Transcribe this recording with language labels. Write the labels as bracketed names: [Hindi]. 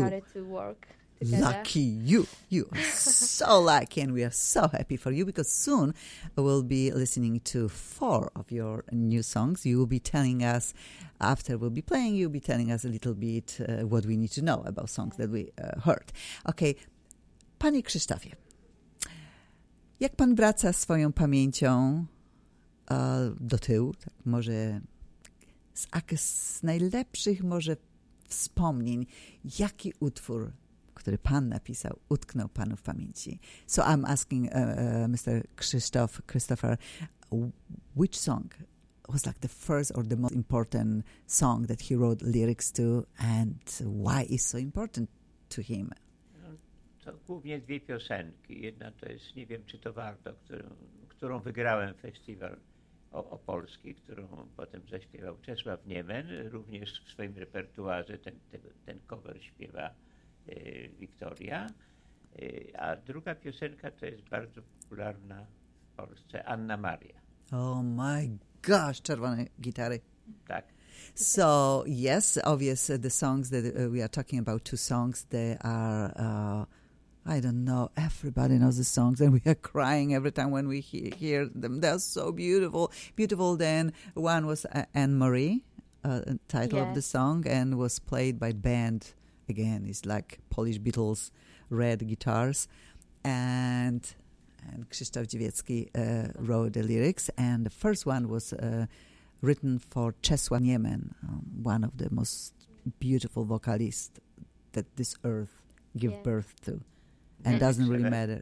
[English] Started to work together. Lucky you! You are so lucky, and we are so happy for you, because soon we'll be listening to four of your new songs. You will be telling us, after we'll be playing, you'll be telling us a little bit what we need to know about songs that we heard. [Polish] Okay, Panie Krzysztofie, jak pan wraca swoją pamięcią do tyłu, tak może... z najlepszych może wspomnień, jaki utwór, który pan napisał, utknął panu w pamięci? [English] So I'm asking Mr. Christopher, which song was like the first or the most important song that he wrote lyrics to, and why is so important to him? [Polish] To głównie dwie piosenki. Jedna to jest, nie wiem, czy to warto, którą wygrałem festiwal Opolski, którą potem zaśpiewał Czesław Niemen, również w swoim repertuarze ten cover śpiewa Wiktoria. A druga piosenka to jest bardzo popularna w Polsce, Anna Maria. [English] Oh my gosh, czerwone gitary. [Polish] Tak. [English] So yes, obviously the songs that we are talking about, two songs, they are... I don't know, everybody knows the songs, and we are crying every time when we hear them. They're so beautiful. Beautiful then, one was Anne-Marie, title of the song, and was played by band, again, it's like Polish Beatles, red guitars, and Krzysztof Dziewiecki wrote the lyrics, and the first one was written for Czesław Niemen, one of the most beautiful vocalists that this earth gave birth to. And doesn't really matter.